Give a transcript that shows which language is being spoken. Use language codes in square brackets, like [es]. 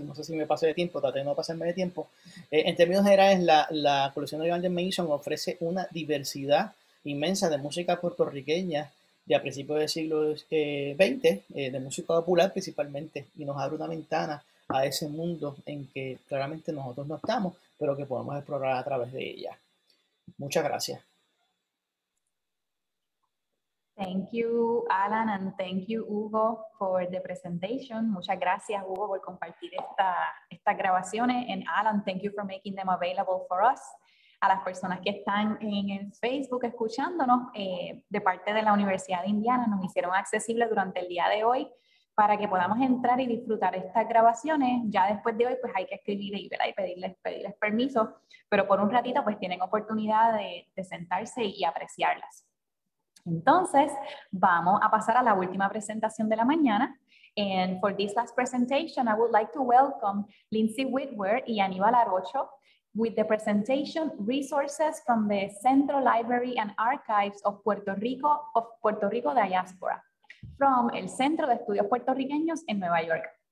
[es] No sé si me pasé de tiempo, traté de no pasarme de tiempo. En términos generales, la colección de Evangel Mason ofrece una diversidad inmensa de música puertorriqueña de a principios del siglo XX, de música popular principalmente, y nos abre una ventana a ese mundo en que claramente nosotros no estamos, pero que podemos explorar a través de ella. Muchas gracias. [en] Thank you, Alan, and thank you, Hugo, for the presentation. [es] Muchas gracias, Hugo, por compartir estas grabaciones. [en] And Alan, thank you for making them available for us. [es] A las personas que están en el Facebook escuchándonos, de parte de la Universidad de Indiana, nos hicieron accesible durante el día de hoy para que podamos entrar y disfrutar estas grabaciones. Ya después de hoy, pues hay que escribir y pedirles permiso, pero por un ratito pues tienen oportunidad de sentarse y apreciarlas. Entonces, vamos a pasar a la última presentación de la mañana. [en] And for this last presentation, I would like to welcome Lindsay Whitworth y Aníbal Arocho, with the presentation resources from the Central Library and Archives of Puerto Rico Diaspora, from El Centro de Estudios Puertorriqueños en Nueva York.